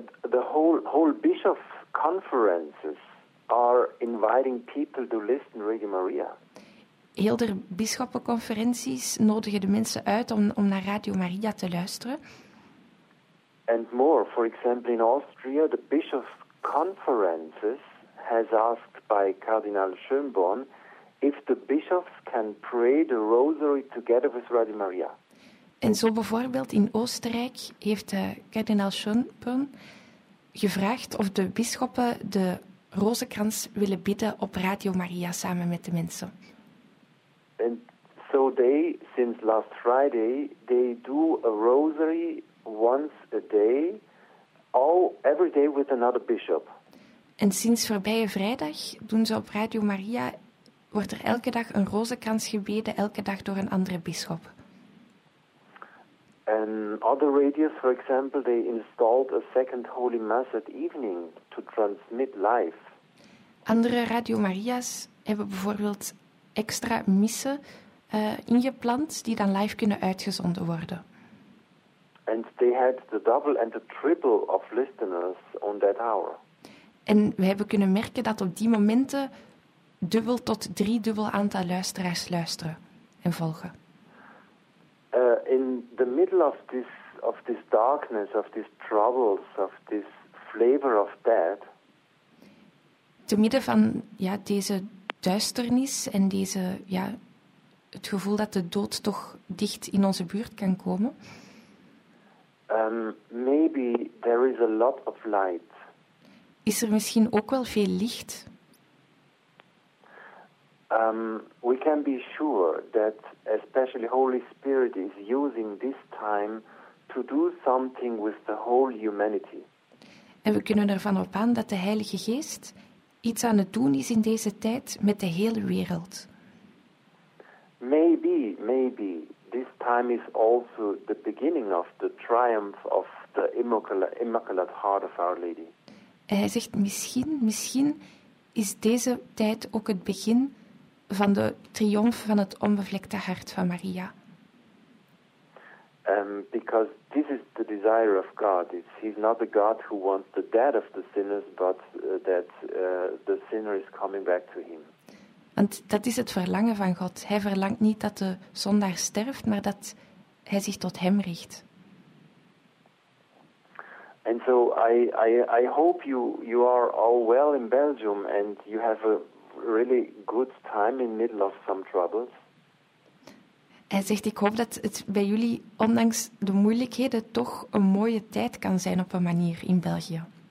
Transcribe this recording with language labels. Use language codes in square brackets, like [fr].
[en] The whole bishop conferences are inviting people to listen to Radio Maria. [nl] Heel de bisschoppenconferenties nodigen de mensen uit om naar Radio Maria te luisteren. [en] And more, for example, in Austria, the bishops conferences has asked by Cardinal Schönborn if the bishops can pray the rosary together with Radio Maria. [nl] En zo bijvoorbeeld in Oostenrijk heeft kardinaal Schönborn gevraagd of de bisschoppen de rozenkrans willen bidden op Radio Maria samen met de mensen. [en] And so they, since last Friday, they do a rosary once a day, all every day with another bishop. [nl] En sinds voorbije vrijdag doen ze op Radio Maria, wordt er elke dag een rozenkrans gebeden, elke dag door een andere bisschop. [en] And other radios, for example, they installed a second Holy Mass at evening to transmit live. [nl] Andere Radio Maria's hebben bijvoorbeeld extra missen ingepland die dan live kunnen uitgezonden worden. [en] And they had the double and the triple of listeners on that hour. [nl] En we hebben kunnen merken dat op die momenten dubbel tot driedubbel aantal luisteraars luisteren en volgen. [en] In the middle of this darkness, of these troubles, of this flavor of death. [nl] Te midden van ja, deze duisternis en deze ja, het gevoel dat de dood toch dicht in onze buurt kan komen. [en] Maybe there is a lot of light. [nl] Is er misschien ook wel veel licht? [en] We can be sure that especially Holy Spirit is using this time to do something with the whole humanity. [nl] En we kunnen ervan op aan dat de Heilige Geest iets aan het doen is in deze tijd met de hele wereld. [en] Maybe this time is also the beginning of the triumph of the Immaculate Heart of Our Lady. [nl] En hij zegt misschien is deze tijd ook het begin van de triomf van het onbevlekte hart van Maria. [en] Because this is the desire of God. He's not a God who wants the death of the sinners, but that the sinner is coming back to him. [nl] Want dat is het verlangen van God. Hij verlangt niet dat de zondaar sterft, maar dat hij zich tot hem richt. [en] And so I hope you are all well in Belgium and you have a really good time in middle of some troubles. [nl] Hij zegt, ik hoop dat het bij jullie, ondanks de moeilijkheden, toch een mooie tijd kan zijn op een manier in België.